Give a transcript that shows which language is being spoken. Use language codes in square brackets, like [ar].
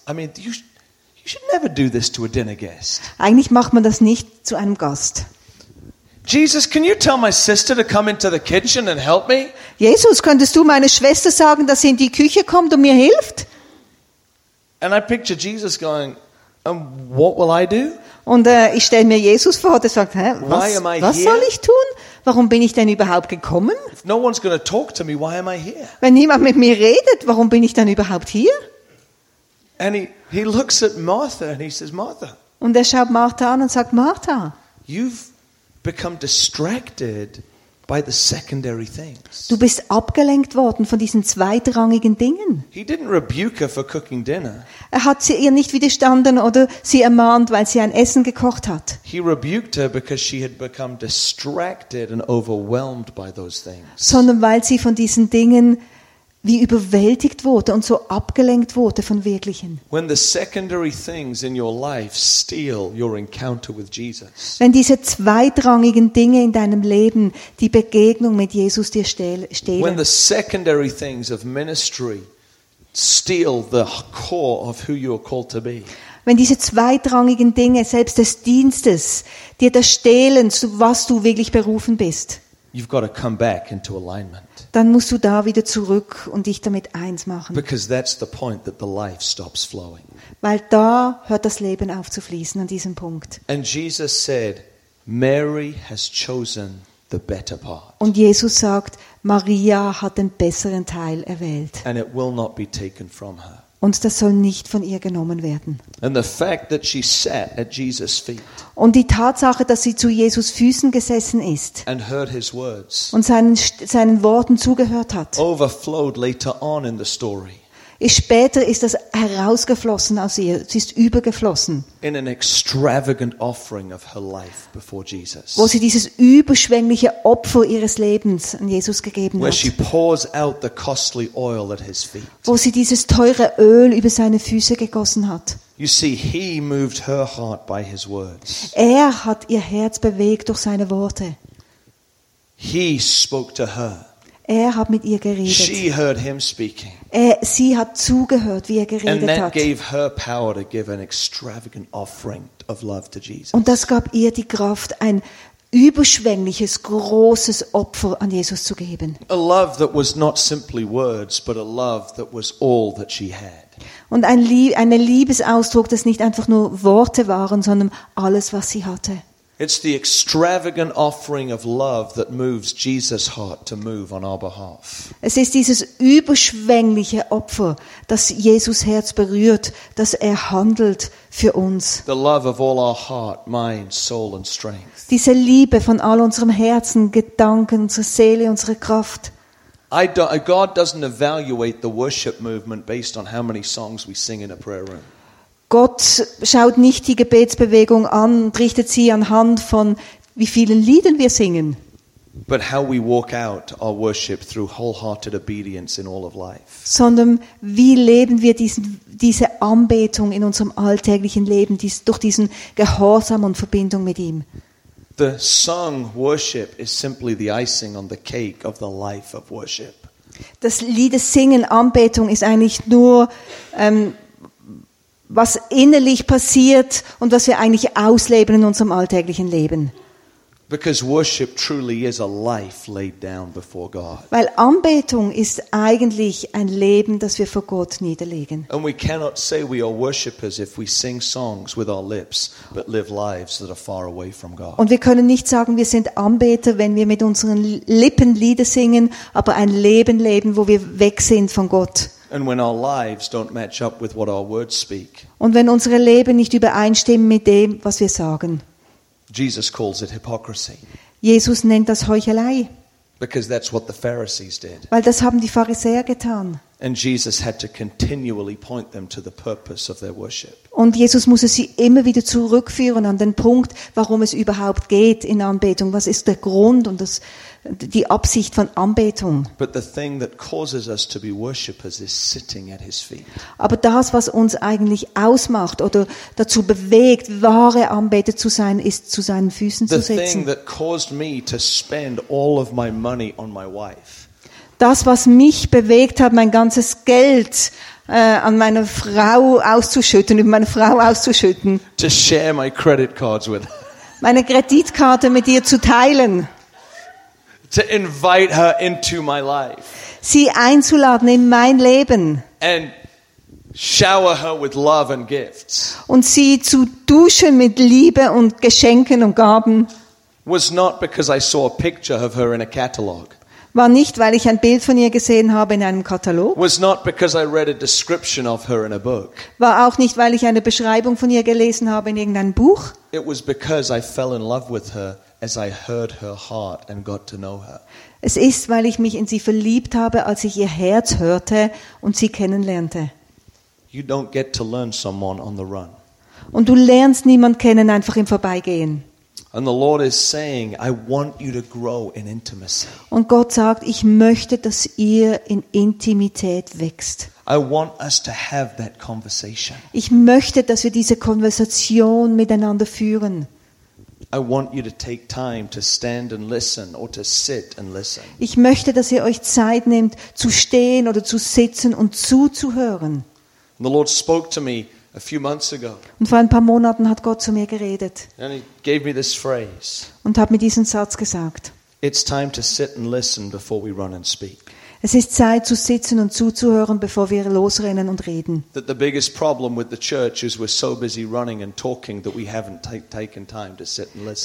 [en] I mean, you should never do this to a dinner guest. [de] Eigentlich macht man das nicht zu einem Gast. [en] Jesus, can you tell my sister to come into the kitchen and help me? [de] Jesus, könntest du meiner Schwester sagen, dass sie in die Küche kommt und mir hilft? [en] And I picture Jesus going, what will I do? [de] Und ich stelle mir Jesus vor, der sagt, was soll ich tun? Warum bin ich denn überhaupt gekommen? [en] If no one's gonna talk to me, why am I here? [de] Wenn niemand mit mir redet, warum bin ich dann überhaupt hier? [en] And he looks at Martha and he says, Martha. [de] Und er schaut Martha an und sagt, Martha. [en] You've become distracted by the secondary things. [de] Du bist abgelenkt worden von diesen zweitrangigen Dingen. [en] He didn't rebuke her for cooking dinner. [de] Er hat sie ihr nicht widerstanden oder sie ermahnt, weil sie ein Essen gekocht hat. [en] He rebuked her because she had become distracted and overwhelmed by those things. [de] Sondern weil sie von diesen Dingen wie überwältigt wurde und so abgelenkt wurde von wirklichen. [en] When the secondary things in your life steal your encounter with Jesus. [de] Wenn diese zweitrangigen Dinge in deinem Leben die Begegnung mit Jesus dir stehlen. [en] When the secondary things of ministry steal the core of who you are called to be. [de] wenn diese zweitrangigen Dinge, selbst des Dienstes, dir das stehlen, zu was du wirklich berufen bist, [en] you've got to come back into alignment. [de] Dann musst du da wieder zurück und dich damit eins machen. [en] Because that's the point that the life stops flowing. [de] Weil da hört das Leben auf zu fließen, an diesem Punkt. [en] And Jesus said, Mary has chosen the better part. [de] Und Jesus sagt, Maria hat den besseren Teil erwählt. [en] And it will not be taken from her. [de] Und das soll nicht von ihr genommen werden. [en] And the fact that she sat at Jesus' feet. [de] Und die Tatsache, dass sie zu Jesus' Füßen gesessen ist [en] and heard his words. [de] Und seinen Worten zugehört hat, [en] overflowed later on in the story. [de] Später ist das herausgeflossen aus ihr. Sie ist übergeflossen. [en] In an extravagant offering of her life before Jesus. [de] Wo sie dieses überschwängliche Opfer ihres Lebens an Jesus gegeben [en] where [de] hat. [en] She pours out the costly oil at his feet. [de] Wo sie dieses teure Öl über seine Füße gegossen hat. [en] You see, he moved her heart by his words. [de] Er hat ihr Herz bewegt durch seine Worte. [en] He spoke to her. [de] Er hat mit ihr geredet. [en] She heard him speaking. [de] Sie hat zugehört, wie er geredet [en] and that [de] hat. [en] Gave her power to give an extravagant offering of love to Jesus. [de] Und das gab ihr die Kraft, ein überschwängliches, großes Opfer an Jesus zu geben. [en] A love that was not simply words, but a love that was all that she had. [de] Und eine Liebesausdruck, das nicht einfach nur Worte waren, sondern alles, was sie hatte. [en] It's the extravagant offering of love that moves Jesus' heart to move on our behalf. [de] Es ist dieses überschwängliche Opfer, das Jesus' Herz berührt, dass er handelt für uns. [en] The love of all our heart, mind, soul and strength. [de] Diese Liebe von all unserem Herzen, Gedanken, unserer Seele, unserer Kraft. [en] God doesn't evaluate the worship movement based on how many songs we sing in a prayer room. [de] Gott schaut nicht die Gebetsbewegung an und richtet sie anhand von wie vielen Liedern wir singen. [en] But how we walk out our worship through wholehearted obedience in all of life. [de] Sondern wie leben wir diese Anbetung in unserem alltäglichen Leben durch diesen Gehorsam und Verbindung mit ihm. [en] The song worship is simply the icing on the cake of the life of worship. [de] Das Liedesingen, Anbetung ist eigentlich nur was innerlich passiert und was wir eigentlich ausleben in unserem alltäglichen Leben. [en] Because worship truly is a life laid down before God. [de] Weil Anbetung ist eigentlich ein Leben, das wir vor Gott niederlegen. [en] And we cannot say we are worshippers if we sing songs with our lips but live lives that are far away from God. [de] Und wir können nicht sagen, wir sind Anbeter, wenn wir mit unseren Lippen Lieder singen, aber ein Leben leben, wo wir weg sind von Gott. [en] And when our lives don't match up with what our words speak. [de] Und wenn unsere Leben nicht übereinstimmen mit dem, was wir sagen. [en] Jesus calls it hypocrisy. [de] Jesus nennt das Heuchelei. [en] Because that's what the Pharisees did. [de] Weil das haben die Pharisäer getan. [en] And Jesus had to continually point them to the purpose of their worship. [de] Und Jesus musste sie immer wieder zurückführen an den Punkt, warum es überhaupt geht in Anbetung. Was ist der Grund und die Absicht von Anbetung? [en] But the thing that causes us to be worshippers is sitting at his feet. [de] Aber das, was uns eigentlich ausmacht oder dazu bewegt, wahre Anbeter zu sein, ist zu seinen Füßen zu sitzen. [en] The thing that caused me to spend all of my money on my wife. [de] Das, was mich bewegt hat, mein ganzes Geld an meine Frau auszuschütten, über meine Frau auszuschütten. [en] To share my credit cards with her. [de] Meine Kreditkarte mit ihr zu teilen. [en] To invite her into my life. [de] Sie einzuladen in mein Leben. [en] And shower her with love and gifts. [de] Und sie zu duschen mit Liebe und Geschenken und Gaben. [en] Was not because I saw a picture of her in a catalog. [de] War nicht, weil ich ein Bild von ihr gesehen habe in einem Katalog. [en] Was not because I read a description of her in a book. [de] War auch nicht, weil ich eine Beschreibung von ihr gelesen habe in irgendeinem Buch. [en] It was because I fell in love with her as I heard her heart and got to know her. [de] Es ist, weil ich mich in sie verliebt habe, als ich ihr Herz hörte und sie kennenlernte. [en] You don't get to learn someone on the run. [de] Und du lernst niemanden kennen einfach im Vorbeigehen. [en] And the Lord is saying, I want you to grow in intimacy. [de] Und Gott sagt, ich möchte, dass ihr in Intimität wächst. [en] I want us to have that conversation. [de] Ich möchte, dass wir diese Konversation miteinander führen. [en] I want you to take time to stand and listen or to sit and listen. [de] Ich möchte, dass ihr euch Zeit nehmt, zu stehen oder zu sitzen und zuzuhören. [en] And the Lord spoke to me A few months ago. [de] Und vor ein paar Monaten hat Gott zu mir geredet. [en] And he gave me this phrase. [de] Und hat mir diesen Satz gesagt. [en] It's time to sit and listen before we run and speak. [de] Es ist Zeit zu sitzen und zuzuhören, bevor wir losrennen und reden. [en] That the biggest problem with the church is we're so busy running and talking that we haven't taken time to sit and listen.